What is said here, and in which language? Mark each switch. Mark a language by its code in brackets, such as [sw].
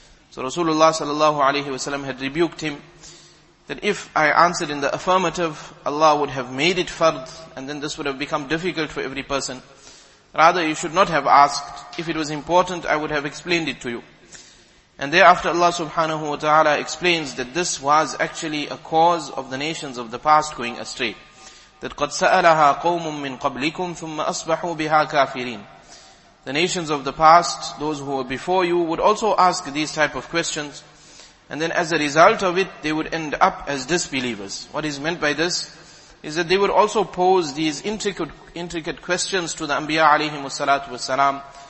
[en] So Rasulullah sallallahu alayhi wa sallam had rebuked him that if I answered in the affirmative, Allah would have made it fard and then this would have become difficult for every person. Rather, you should not have asked. If it was important, I would have explained it to you. And thereafter Allah subhanahu wa ta'ala explains that this was actually a cause of the nations of the past going astray. That [ar] قَدْ سَأَلَهَا قَوْمٌ مِّن قَبْلِكُمْ ثُمَّ أَصْبَحُوا بِهَا كَافِرِينَ. [en] The nations of the past, those who were before you, would also ask these type of questions. And then as a result of it, they would end up as disbelievers. What is meant by this is that they would also pose these intricate questions to the Anbiya alayhim wassalatu wassalam.